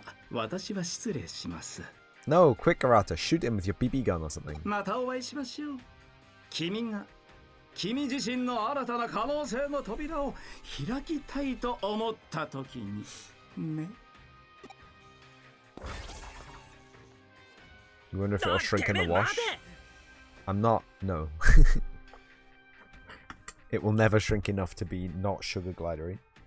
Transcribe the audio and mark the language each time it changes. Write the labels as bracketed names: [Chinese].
[Japanese] しまった。それでは私は失礼します。 [English] No, quick, Garata, shoot him with your BB gun or something. [Japanese] またお会いしましょう。君が君自身の新たな可能性の扉を開きたいと思った時に。 [English] You wonder if it'll shrink in the wash? I'm not. No. It will never shrink enough to be not sugar glidery.